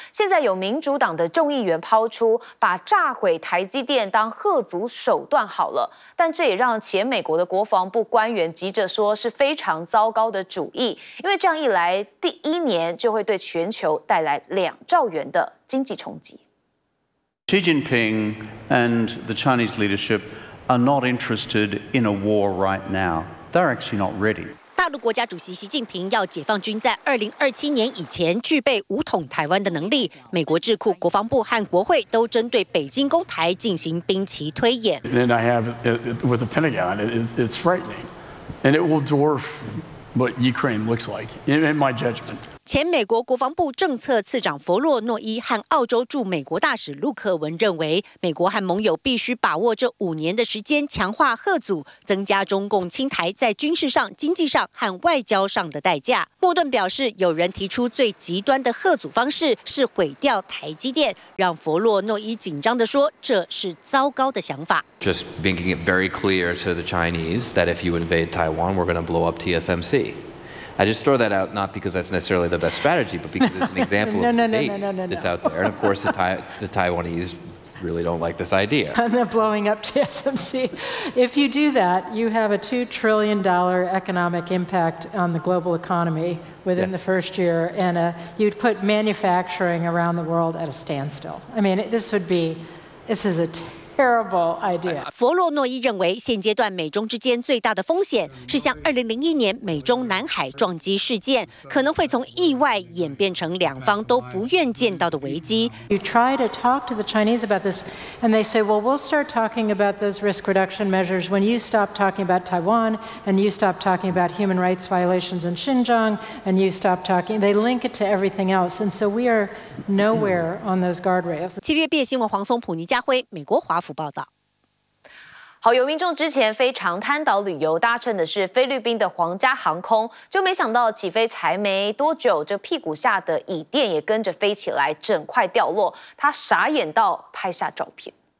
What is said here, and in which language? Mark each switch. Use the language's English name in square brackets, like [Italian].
[Chinese] 现在有民主党的众议员抛出把炸毁台积电当吓阻手段好了，但这也让前美国的国防部官员急着说是非常糟糕的主意，因为这样一来，第一年就会对全球带来2兆元的经济冲击。 [English] Xi Jinping and the Chinese leadership are not interested in a war right now. They're actually not ready. [Chinese] 大陆国家主席习近平要解放军在2027年以前具备武统台湾的能力。美国智库、国防部和国会都针对北京攻台进行兵棋推演。 [English] And I have with the Pentagon, it's frightening, and it will dwarf what Ukraine looks like in my judgment. [Chinese] 前美国国防部政策次长佛洛诺伊和澳洲驻美国大使陆克文认为，美国和盟友必须把握这五年的时间，强化贺阻，增加中共侵台在军事上、经济上和外交上的代价。莫顿表示，有人提出最极端的贺阻方式是毁掉台积电，让佛洛诺伊紧张地说，这是糟糕的想法。 [English] Just making it very clear to the Chinese that if you invade Taiwan, we're going to blow up TSMC. I just throw that out not because that's necessarily the best strategy, but because it's an example of no, out there. And of course, the Taiwanese really don't like this idea. I'm not blowing up TSMC. If you do that, you have a $2 trillion economic impact on the global economy within the first year, and you'd put manufacturing around the world at a standstill. I mean, this is a terrible idea. [Chinese] 佛洛诺伊认为，现阶段美中之间最大的风险是像2001年美中南海撞击事件，可能会从意外演变成两方都不愿见到的危机。 [English] You try to talk to the Chinese about this, and they say, well, we'll start talking about those risk reduction measures when you stop talking about Taiwan, and you stop talking about human rights violations in Xinjiang, and you stop talking. They link it to everything else, and so we are nowhere on those guardrails. [Chinese] TVBS 新闻黄松普、倪家辉，美国华府报道。好，有民众之前飞长滩岛旅游，搭乘的是菲律宾的皇家航空，就没想到起飞才没多久，这屁股下的椅垫也跟着飞起来，整块掉落，他傻眼到拍下照片。